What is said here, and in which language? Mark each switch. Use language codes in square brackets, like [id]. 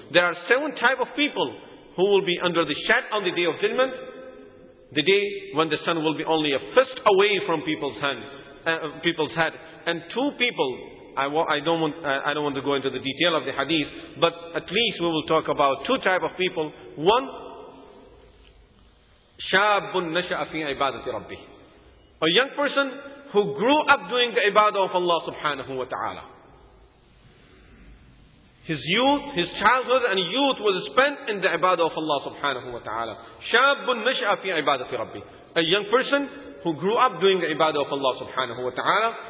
[en] There are 7 type of people who will be under the shadow on the day of judgment, the day when the sun will be only a fist away from people's head. And 2 people, I don't want to go into the detail of the hadith, but at least we will talk about 2 type of people. One, [ar] شَابٌ نَشَأَ فِي عِبَادَةِ رَبِّهِ. [en] A young person who grew up doing the ibadah of Allah subhanahu wa ta'ala. His youth, his childhood and youth was spent in the ibadah of Allah subhanahu wa ta'ala. [ar] شَابٌ نَشْأَ فِي عِبَادَةِ رَبِّهِ. [en] A young person who grew up doing the ibadah of Allah subhanahu wa ta'ala.